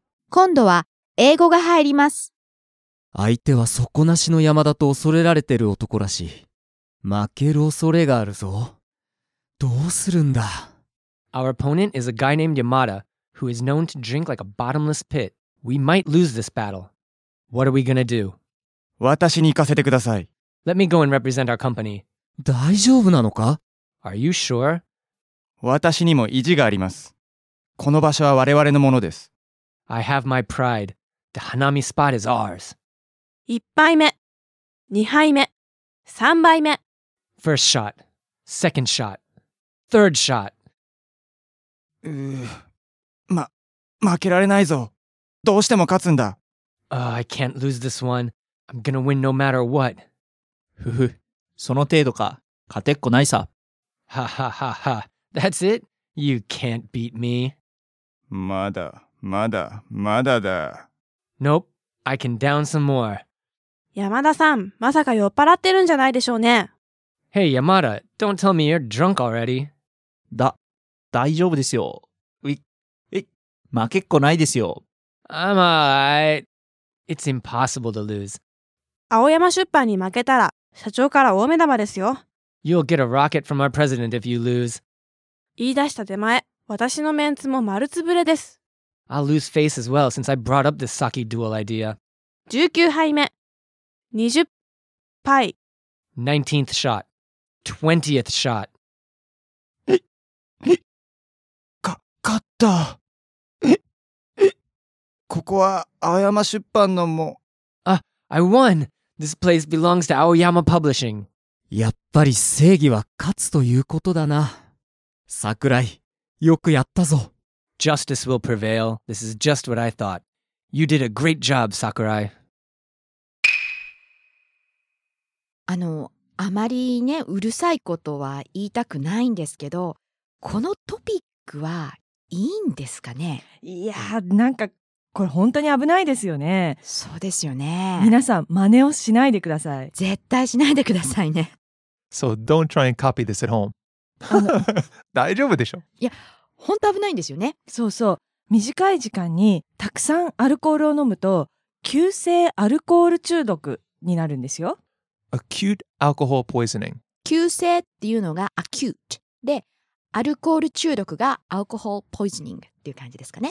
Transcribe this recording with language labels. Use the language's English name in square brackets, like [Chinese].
[Japanese] 今度は英語が入ります。相手は底なしの山だと恐れられてる男らしい。負ける恐れがあるぞ。どうするんだ。 [English] Our opponent is a guy named Yamada who is known to drink like a bottomless pit. We might lose this battle. What are we gonna do? [Japanese] 私に行かせてください。 [English] Let me go and represent our company. [Japanese] 大丈夫なのか。 [English] Are you sure? [Japanese] 私にも意地があります。この場所は我々のものです。 [English] I have my pride. The Hanami spot is ours. [Japanese] 1杯目、2杯目、3杯目。 [English] First shot. Second shot. Third shot. [Japanese] 負けられないぞ。どうしても勝つんだ。 [English] I can't lose this one. I'm gonna win no matter what. [Japanese] ふふ、その程度か。勝てっこないさ。 [English] ha ha ha ha. That's it? You can't beat me. [Japanese] まだ、まだ、まだだ。 [English] Nope. I can down some more. [Japanese] 山田さん、まさか酔っ払ってるんじゃないでしょうね。 [English] Hey, Yamada, don't tell me you're drunk already. [Japanese] だ、大丈夫ですよ。え、負けっこないですよ。 [English] I'm alright. It's impossible to lose. [Japanese] 青山出版に負けたら、社長から大目玉ですよ。 [English] You'll get a rocket from our president if you lose. [Japanese] 言い出した手前、私のメンツも丸つぶれです。 [English] I'll lose face as well since I brought up this sake duel idea. [Japanese] 19杯目。20杯。 [English] 19th shot. 20th shot. [Japanese] か、勝った。ここは青山出版のも。 [English] I won! This place belongs to Aoyama Publishing. [Japanese] やっぱり正義は勝つということだな。桜井、よくやったぞ。 [English] Justice will prevail. This is just what I thought. You did a great job, Sakurai. [Japanese] あまりね、うるさいことは言いたくないんですけど、このトピックはいいんですかね？いや、なんかこれ本当に危ないですよね。そうですよね。皆さん、真似をしないでください。絶対しないでくださいね。 [English] So don't try and copy this at home. [Japanese] 大丈夫でしょ？いや、本当危ないんですよね。そうそう、短い時間にたくさんアルコールを飲むと急性アルコール中毒になるんですよ。 [English] Acute alcohol poisoning。 [Japanese] 急性っていうのが acute で、アルコール中毒が alcohol poisoning っていう感じですかね。